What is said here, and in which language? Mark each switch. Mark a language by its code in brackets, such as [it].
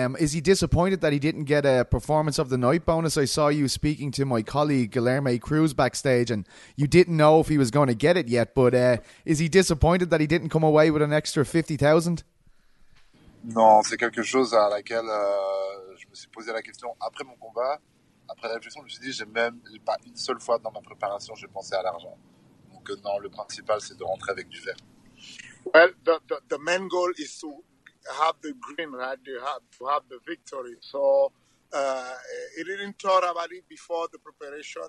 [en] Is he disappointed that he didn't get a performance of the night bonus? I saw you speaking to my colleague Guilherme Cruz backstage, and you didn't know if he was going to get it yet. But is he disappointed that he didn't come away with an extra 50,000? [fr] Non, c'est quelque chose à laquelle je me suis posé la question après mon combat. Après la réflexion, je me suis dit, j'ai même pas une seule fois dans ma préparation, j'ai pensé à l'argent. Donc non, le principal, c'est de rentrer avec du vert. [en] Well, the main goal is to have the green, right? You have to have the victory. So he didn't talk about it before the preparation.